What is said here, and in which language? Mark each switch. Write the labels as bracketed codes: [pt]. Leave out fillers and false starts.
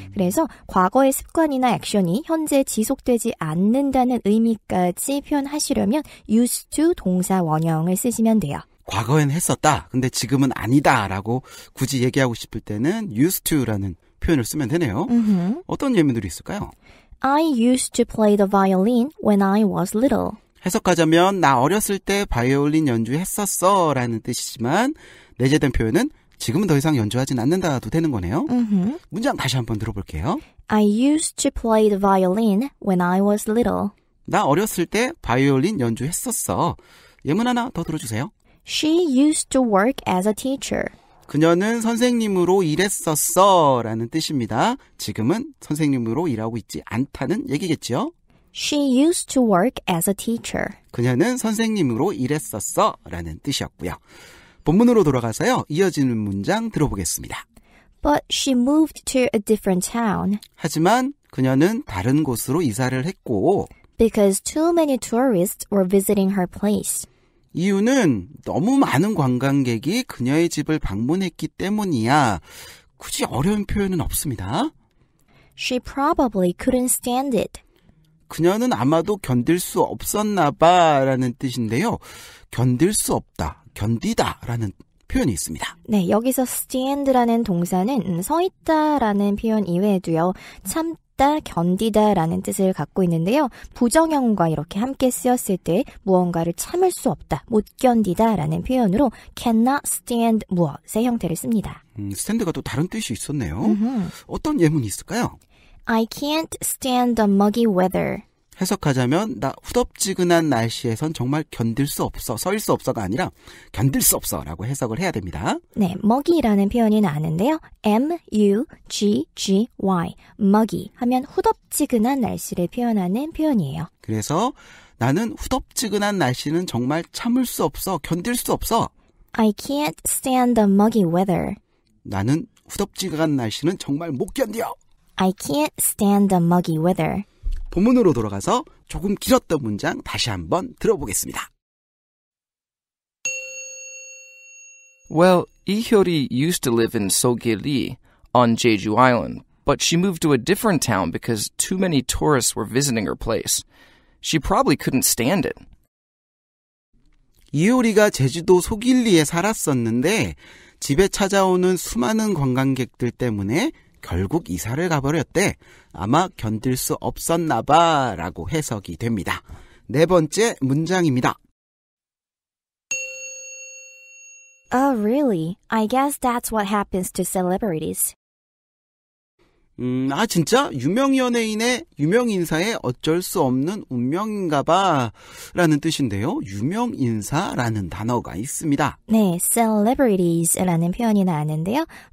[ko] 그래서 과거의 습관이나 액션이 현재 지속되지 않는다는 의미까지 표현하시려면 used to 동사 원형을 쓰시면 돼요. 과거엔 했었다. 근데 지금은 아니다라고 굳이 얘기하고 싶을 때는 used to라는 표현을 쓰면 되네요. Mm-hmm. 어떤 예문들이 있을까요? [en] I used to play the violin when I was little. [ko] 해석하자면 나 어렸을 때 바이올린 연주했었어 라는 뜻이지만 내재된 표현은 지금은 더 이상 연주하진 않는다도 되는 거네요. Mm-hmm. 문장 다시 한번 들어볼게요. [en] I used to play the violin when I was little. [ko] 나 어렸을 때 바이올린 연주했었어. 예문 하나 더 들어주세요. [en] She used to work as a teacher. [ko] 그녀는 선생님으로 일했었어 라는 뜻입니다. 지금은 선생님으로 일하고 있지 않다는 얘기겠죠? She used to work as a teacher. 그녀는 선생님으로 일했었어 라는 뜻이었고요. 본문으로 돌아가서요. 이어지는 문장 들어보겠습니다. [en] But she moved to a different town. [ko] 하지만 그녀는 다른 곳으로 이사를 했고 [en] Because too many tourists were visiting her place. [ko] 이유는 너무 많은 관광객이 그녀의 집을 방문했기 때문이야. 굳이 어려운 표현은 없습니다. [en] She probably couldn't stand it. [ko] 그녀는 아마도 견딜 수 없었나 봐라는 뜻인데요. 견딜 수 없다, 견디다라는 표현이 있습니다. 네, 여기서 stand라는 동사는 서 있다라는 표현 이외에도요. 참다, 견디다라는 뜻을 갖고 있는데요. 부정형과 이렇게 함께 쓰였을 때 무언가를 참을 수 없다, 못 견디다라는 표현으로 cannot stand 무엇의 형태를 씁니다. stand가 또 다른 뜻이 있었네요. Mm-hmm. 어떤 예문이 있을까요? [en] I can't stand the muggy weather. [ko] 해석하자면 나 후덥지근한 날씨에선 정말 견딜 수 없어, 서 있을 수 없어가 아니라 견딜 수 없어 라고 해석을 해야 됩니다. 네, muggy라는 표현이 나왔는데요. M-U-G-G-Y, muggy 하면 후덥지근한 날씨를 표현하는 표현이에요. 그래서 나는 후덥지근한 날씨는 정말 참을 수 없어, 견딜 수 없어. [en] I can't stand the muggy weather. [ko] 나는 후덥지근한 날씨는 정말 못 견뎌. [en] I can't stand the muggy weather. [ko] 본문으로 돌아가서 조금 길었던 문장 다시 한번 들어보겠습니다. [en] Well, Lee Hyo-li used to live in So-gil Li on Jeju Island, but she moved to a different town because too many tourists were visiting her place. She probably couldn't stand it. [ko] 이효리가 제주도 소길리에 살았었는데 집에 찾아오는 수많은 관광객들 때문에 결국 이사를 가버렸대. 아마 견딜 수 없었나 봐 라고 해석이 됩니다. 네 번째 문장입니다. [en] Oh, really? I guess that's what happens to celebrities. [ko] 아, 진짜? 유명 연예인의 유명 인사의 어쩔 수 없는 운명인가 봐 라는 뜻인데요. 유명 인사라는 단어가 있습니다. 네, celebrities라는 표현이 나왔는데요.